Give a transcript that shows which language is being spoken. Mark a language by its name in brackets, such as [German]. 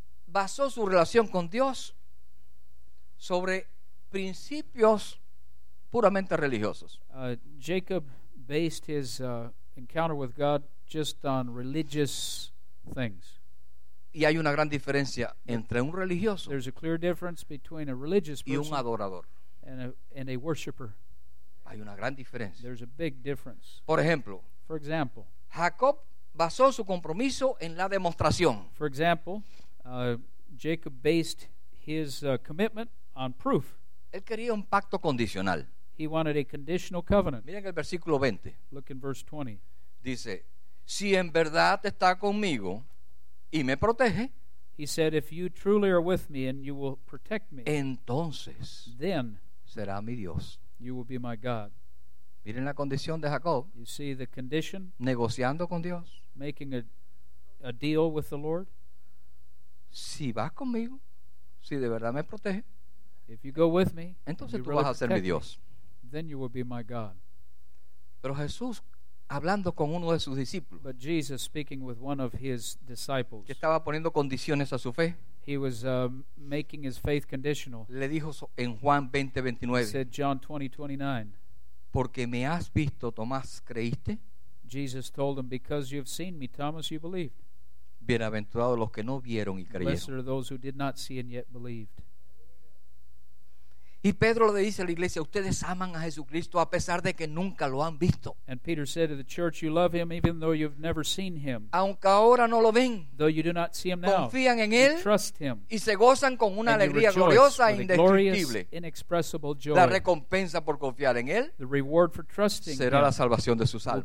[Spanish] Basó su relación con Dios sobre principios puramente religiosos. [English] Jacob based his encounter with God just on religious things. [Spanish] Y hay una gran diferencia entre un religioso [English] there's a clear difference between a religious person [Spanish] y un adorador [English] and a worshiper. [Spanish] Hay una gran diferencia. [English] There's a big difference. [Spanish] Por ejemplo, [English] for example, [Spanish] Jacob basó su compromiso en la demostración. [English] For example, Jacob based his commitment on proof. [Spanish] Él quería un pacto condicional. [English] He wanted a conditional covenant. [Spanish] Miren el versículo 20. [English] Look in verse 20. [Spanish] Dice, si en verdad está conmigo y me protege, [English] he said, if you truly are with me and you will protect me, [Spanish] entonces [English] then [Spanish] será mi Dios. [English] You will be my God. [Spanish] Miren la condición de Jacob. [English] You see the condition. [Spanish] Negociando con Dios. [English] Making a deal with the Lord. [Spanish] Si vas conmigo, si de verdad me protege, [English] if you go with me, [Spanish] entonces [English] you [Spanish] tú [English] really [Spanish] vas a ser mi Dios. [English] Me, then you will be my God. [Spanish] Pero Jesús, hablando con uno de sus discípulos, [English] but Jesus speaking with one of his disciples, [Spanish] que estaba poniendo condiciones a su fe, [English] he was making his faith conditional. [Spanish] Le dijo en Juan 20:29. [English] Said John 20:29. [Spanish] Porque me has visto, Tomás, creíste. [English] Jesus told him, because you have seen me, Thomas, you believed. [Spanish] Bienaventurados los que no vieron y creyeron. [English] Blessed are those who did not see and yet believed. [Spanish] Y Pedro le dice a la iglesia, ustedes aman a Jesucristo a pesar de que nunca lo han visto. [English] And Peter said to the church, you love him even though you've never seen him. [Spanish] Aunque ahora no lo ven. [English] Though you do not see him [Spanish] confían [English] now. [Spanish] Confían en él. [English] Trust him. [Spanish] Y se gozan con una alegría gloriosa e indescriptible. [English] Glorious, inexpressible joy. [Spanish] La recompensa por confiar en él. [English] The reward for trusting [Spanish] será la salvación de sus almas.